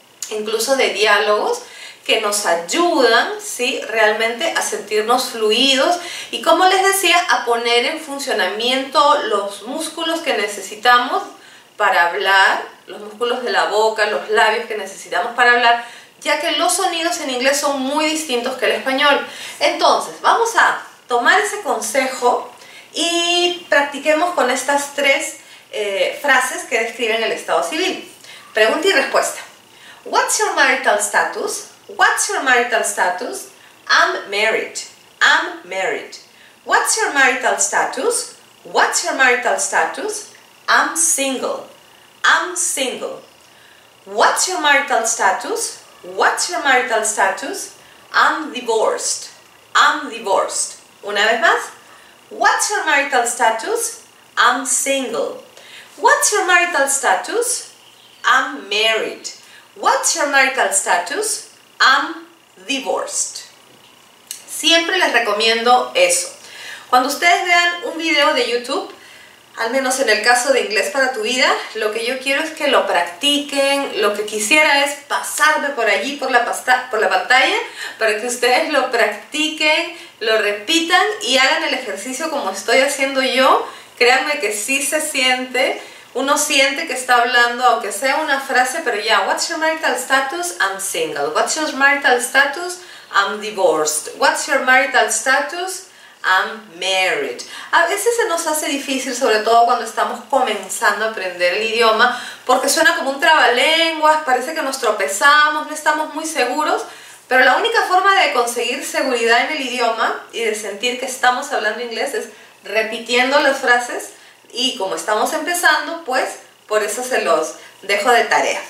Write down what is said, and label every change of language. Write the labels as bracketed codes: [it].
[es] incluso de diálogos, que nos ayudan, ¿sí?, realmente a sentirnos fluidos y, como les decía, a poner en funcionamiento los músculos que necesitamos para hablar, los músculos de la boca, los labios que necesitamos para hablar, ya que los sonidos en inglés son muy distintos que el español. Entonces, vamos a tomar ese consejo y practiquemos con estas tres frases que describen el estado civil. Pregunta y respuesta. [en] What's your marital status? What's your marital status? I'm married. I'm married. What's your marital status? What's your marital status? I'm single. I'm single. What's your marital status? What's your marital status? I'm divorced. I'm divorced. [es] Una vez más. [en] What's your marital status? I'm single. What's your marital status? I'm married. What's your marital status? I'm divorced. [es] Siempre les recomiendo eso. Cuando ustedes vean un video de YouTube, al menos en el caso de Inglés para tu Vida, lo que yo quiero es que lo practiquen. Lo que quisiera es pasarme por allí, por la pantalla, para que ustedes lo practiquen, lo repitan y hagan el ejercicio como estoy haciendo yo. Créanme que sí se siente, uno siente que está hablando, aunque sea una frase, pero ya, [en] what's your marital status? I'm single. What's your marital status? I'm divorced. What's your marital status? I'm married. [es] A veces se nos hace difícil, sobre todo cuando estamos comenzando a aprender el idioma, porque suena como un trabalenguas, parece que nos tropezamos, no estamos muy seguros, pero la única forma de conseguir seguridad en el idioma y de sentir que estamos hablando inglés es repitiendo las frases, y como estamos empezando, pues por eso se los dejo de tarea.